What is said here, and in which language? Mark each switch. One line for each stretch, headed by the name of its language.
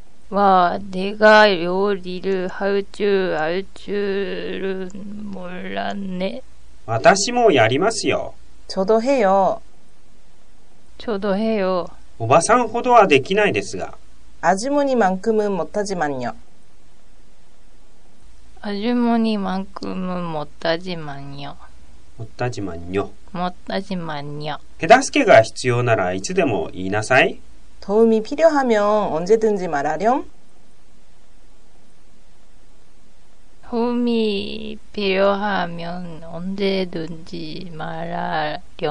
Korean: わあ、내가요리를할줄알줄은몰랐네。
Japanese: 私もやりますよ。
Korean: 저도해요。 저도해요。
Japanese: おばさんほどはできないですが。
Korean: 아주머니만큼은못하지만요。 아주머니만큼은못하지만요 못하지만요 못하지만요
Japanese: 手助けが必要ならいつでも言いなさい
Korean: 도움이필요하면언제든지말하렴 도움이필요하면언제든지말하렴